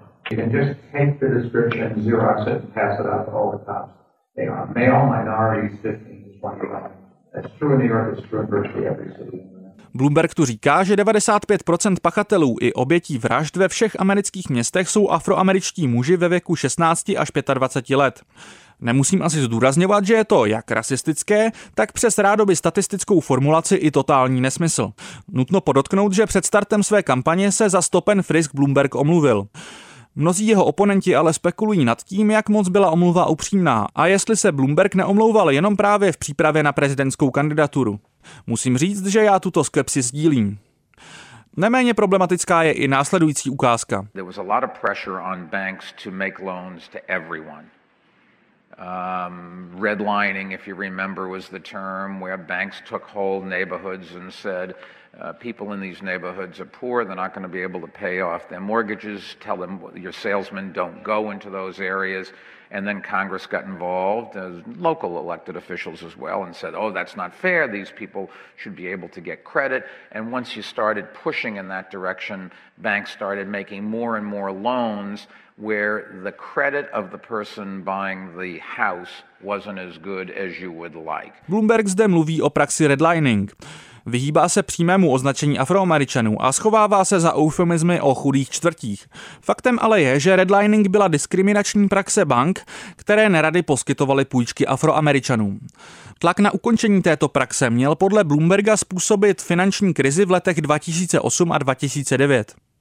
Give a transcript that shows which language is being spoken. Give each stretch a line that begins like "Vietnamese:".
English: You can just take the description, Xerox it, and pass it out to all the cops. They are male minorities, 15 to 21. That's true in New York, it's true in virtually every city in the United States.
Czech: Bloomberg tu říká, že 95% pachatelů i obětí vražd ve všech amerických městech jsou afroameričtí muži ve věku 16 až 25 let. Nemusím asi zdůrazňovat, že je to jak rasistické, tak přes rádoby statistickou formulaci i totální nesmysl. Nutno podotknout, že před startem své kampaně se za Stop & Frisk Bloomberg omluvil. Mnozí jeho oponenti ale spekulují nad tím, jak moc byla omluva upřímná a jestli se Bloomberg neomlouval jenom právě v přípravě na prezidentskou kandidaturu. Musím říct, že já tuto skepsi sdílím. Neméně problematická je i následující ukázka.
English: There was a lot of pressure on banks to make loans to everyone. Redlining, if you remember, was the term where banks took whole neighborhoods and said, people in these neighborhoods are poor, they're not going to be able to pay off their mortgages, tell them your salesmen don't go into those areas. And then Congress got involved, as local elected officials as well, and said, oh, that's not fair, these people should be able to get credit. And once you started pushing in that direction, banks started making more and more loans where the credit of the person buying the house wasn't as good as you would like.
Czech: Bloomberg zde mluví o praxi redlining. Vyhýbá se přímému označení Afroameričanů a schovává se za eufemizmy o chudých čtvrtích. Faktem ale je, že redlining byla diskriminační praxe bank, které nerady poskytovaly půjčky Afroameričanům. Tlak na ukončení této praxe měl podle Bloomberga způsobit finanční krizi v letech 2008 a 2009.